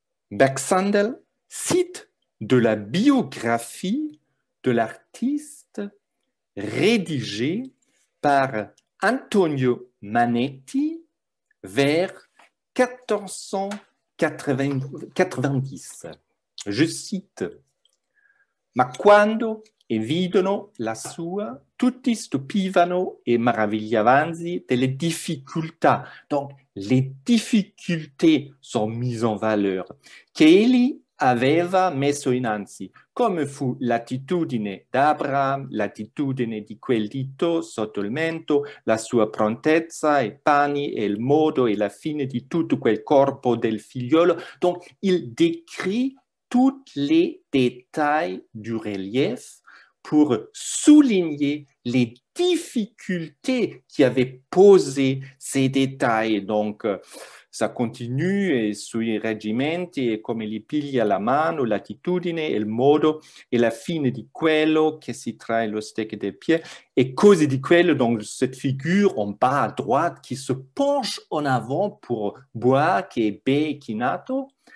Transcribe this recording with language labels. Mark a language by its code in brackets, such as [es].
[fr] Beck-Sandel cite de la biographie de l'artiste rédigée par Antonio Manetti vers 1490. Je cite: [it] «Ma quando e videno la sua, tutti stupivano e maravigliavansi delle difficoltà». [fr] Donc, les difficultés sont mises en valeur. [it] «Ch'egli aveva messo innanzi, come fu l'attitudine d'Abraham, l'attitudine di quel dito sotto il mento, la sua prontezza e panni e il modo e la fine di tutto quel corpo del figliolo». [fr] Donc, il décrit tous les détails du relief pour souligner les difficultés qui avaient posé ces détails. Donc, ça continue, [it] et sui reggimenti, et come li piglia la mano, l'attitudine, il modo, et la fine di quello, che si trae lo stecco del piede, et cose di quello, [fr] donc cette figure en bas à droite qui se penche en avant pour boire, qui est be, [it] qui nato,